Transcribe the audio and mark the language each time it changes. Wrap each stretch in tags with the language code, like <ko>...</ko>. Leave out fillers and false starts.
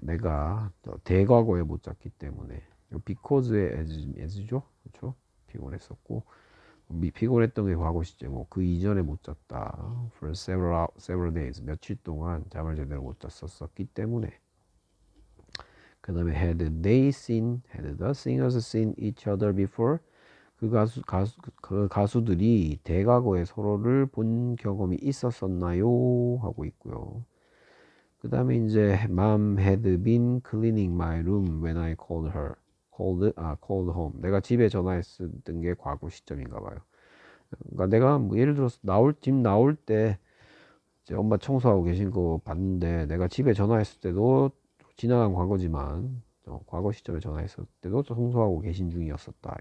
<ko>내가 대과거에 못 잤기 때문에. Because의 as죠. 그렇죠? 피곤했었고. 피곤했던 게 과거 시제. 뭐그 이전에 못 잤다.</ko> <en>For several days.</en> <ko>며칠 동안 잠을 제대로 못 잤었었기 때문에. 그 다음에</ko> <en>had the singers seen each other before?</en> <ko>그 가수들이 대과거에 서로를 본 경험이 있었었나요? 하고 있고요. 그 다음에 이제</ko> <en>Mom had been cleaning my room when I called her. Called home.</en> <ko>내가 집에 전화했었던 게 과거 시점인가 봐요. 그러니까 내가 뭐 예를 들어서 집 나올 때 이제 엄마 청소하고 계신 거 봤는데 내가 집에 전화했을 때도 지나간 과거지만 과거 시점에 전화했을 때도 청소하고 계신 중이었었다.</ko>